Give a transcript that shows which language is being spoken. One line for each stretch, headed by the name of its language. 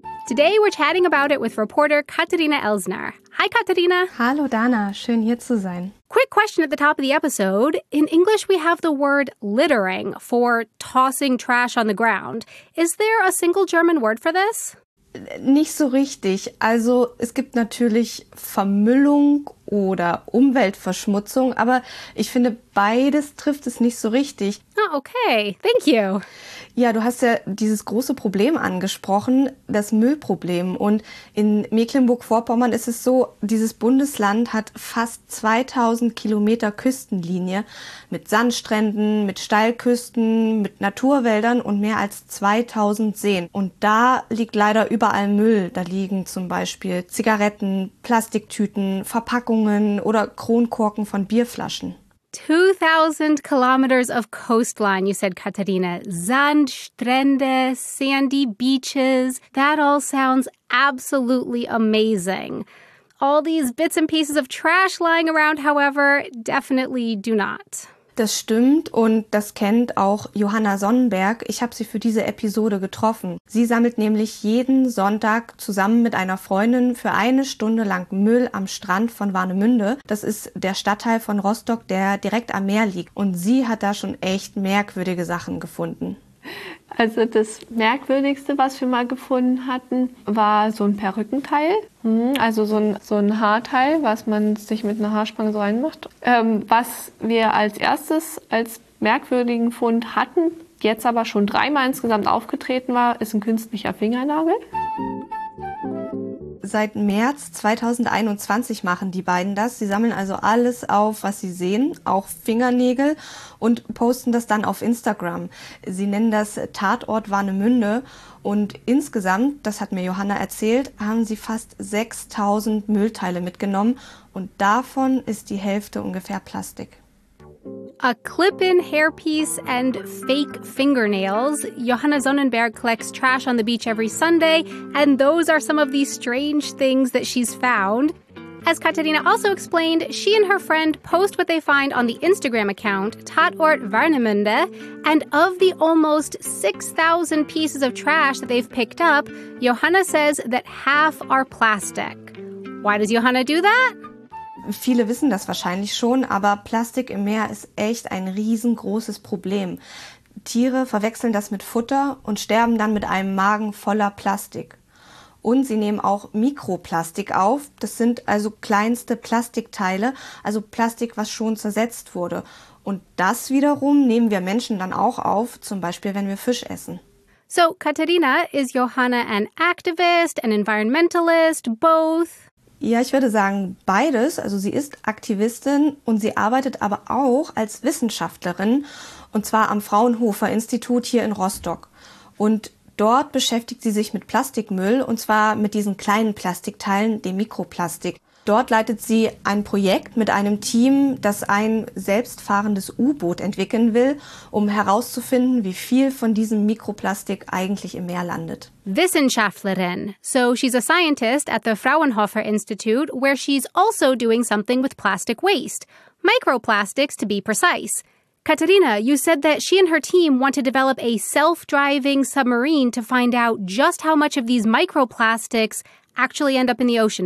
English: Today we're chatting about it with reporter Katharina Elsner. Hi, Katharina.
German: Hallo, Dana. Schön, hier zu sein.
English: Quick question at the top of the episode. In English, we have the word littering for tossing trash on the ground. Is there a single German word for this?
German: Nicht so richtig. Also es gibt natürlich Vermüllung oder Umweltverschmutzung, aber ich finde, beides trifft es nicht so richtig.
English: Ah, okay. Thank you.
German: Ja, du hast ja dieses große Problem angesprochen, das Müllproblem. Und in Mecklenburg-Vorpommern ist es so, dieses Bundesland hat fast 2000 Kilometer Küstenlinie mit Sandstränden, mit Steilküsten, mit Naturwäldern und mehr als 2000 Seen. Und da liegt leider überall Müll. Da liegen zum Beispiel Zigaretten, Plastiktüten, Verpackungen oder Kronkorken von Bierflaschen.
English: 2,000 kilometers of coastline, you said, Katharina.
German: Sand, Strände,
English: sandy beaches. That all sounds absolutely amazing. All these bits and pieces of trash lying around, however, definitely do not.
German: Das stimmt und das kennt auch Johanna Sonnenberg. Ich habe sie für diese Episode getroffen. Sie sammelt nämlich jeden Sonntag zusammen mit einer Freundin für eine Stunde lang Müll am Strand von Warnemünde. Das ist der Stadtteil von Rostock, der direkt am Meer liegt. Und sie hat da schon echt merkwürdige Sachen gefunden. Also das Merkwürdigste, was wir mal gefunden hatten, war so ein Perückenteil. Also so ein Haarteil, was man sich mit einer Haarspange so reinmacht. Was wir als erstes als merkwürdigen Fund hatten, jetzt aber schon dreimal insgesamt aufgetreten war, ist ein künstlicher Fingernagel. Seit März 2021 machen die beiden das. Sie sammeln also alles auf, was sie sehen, auch Fingernägel, und posten das dann auf Instagram. Sie nennen das Tatort Warnemünde. Und insgesamt, das hat mir Johanna erzählt, haben sie fast 6000 Müllteile mitgenommen. Und davon ist die Hälfte ungefähr Plastik.
English: A clip-in hairpiece and fake fingernails. Johanna Sonnenberg collects trash on the beach every Sunday, and those are some of the strange things that she's found. As Katharina also explained, she and her friend post what they find on the Instagram account, Tatort Warnemünde, and of the almost 6,000 pieces of trash that they've picked up, Johanna says that half are plastic. Why does Johanna do that?
German: Viele wissen das wahrscheinlich schon, aber Plastik im Meer ist echt ein riesengroßes Problem. Tiere verwechseln das mit Futter und sterben dann mit einem Magen voller Plastik. Und sie nehmen auch Mikroplastik auf. Das sind also kleinste Plastikteile, also Plastik, was schon zersetzt wurde. Und das wiederum nehmen wir Menschen dann auch auf, zum Beispiel, wenn wir Fisch essen.
English: So, Katharina, is Johanna an activist, an environmentalist, both?
German: Ja, ich würde sagen, beides. Also sie ist Aktivistin und sie arbeitet aber auch als Wissenschaftlerin, und zwar am Fraunhofer Institut hier in Rostock. Und dort beschäftigt sie sich mit Plastikmüll, und zwar mit diesen kleinen Plastikteilen, dem Mikroplastik. Dort leitet sie ein Projekt mit einem Team, das ein selbstfahrendes U-Boot entwickeln will, um herauszufinden, wie viel von diesem Mikroplastik eigentlich im Meer landet. Wissenschaftlerin.
English: So she's a scientist at the Fraunhofer Institute, where she's also doing something with plastic waste. microplastics to be precise. Katerina, you said that she and her team want to develop a self-driving submarine to find out just how much of these microplastics actually end up in the ocean.